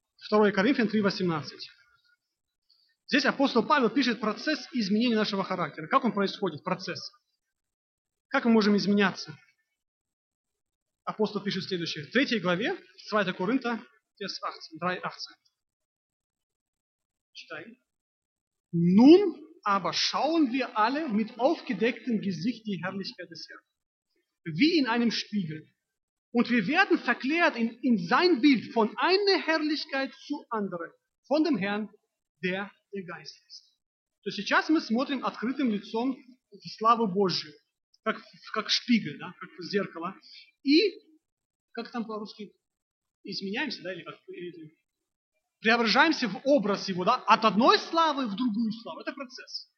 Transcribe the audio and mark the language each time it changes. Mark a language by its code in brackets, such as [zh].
[ru] 2 Коринфянам 3:18. Здесь апостол Павел пишет процесс изменения нашего характера. Как он происходит, процесс? Как мы можем изменяться? Апостол пишет следующее. В 3 главе 2 Коринфянам 3:18. Читай. [de] Nun aber schauen wir alle mit aufgedecktem Gesicht die Herrlichkeit des Herrn, wie in einem Spiegel. Und wir werden verklärt in sein Bild von einer Herrlichkeit zu anderen, von dem Herrn, der der Geist ist. [ru] То есть сейчас мы смотрим открытым лицом в славу Божию, как Spiegel, да, как зеркало. И как там по-русски? Изменяемся, да, или как? Преображаемся в образ его, да, от одной славы в другую славу. Это процесс.